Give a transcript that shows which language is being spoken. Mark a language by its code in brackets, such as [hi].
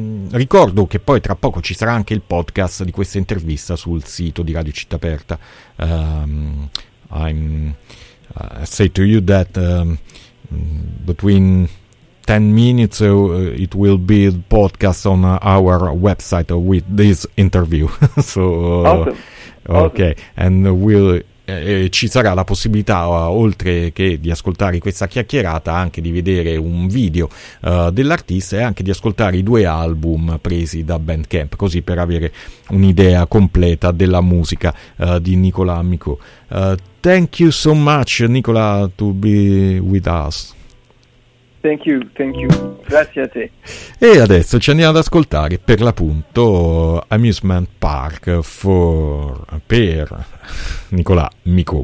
[it] Ricordo che poi tra poco ci sarà anche il podcast di questa intervista sul sito di Radio Città Aperta. [en] I say to you that between 10 minutes it will be the podcast on our website with this interview. So, awesome. [it] Ok, and ci sarà la possibilità, oltre che di ascoltare questa chiacchierata, anche di vedere un video dell'artista e anche di ascoltare i due album presi da Bandcamp, così per avere un'idea completa della musica di Nicolas Micou. [en] Thank you so much, Nicolas, to be with us. Thank you. [it] Grazie a te. E adesso ci andiamo ad ascoltare per l'appunto Amusement Park per Nicolà Micò.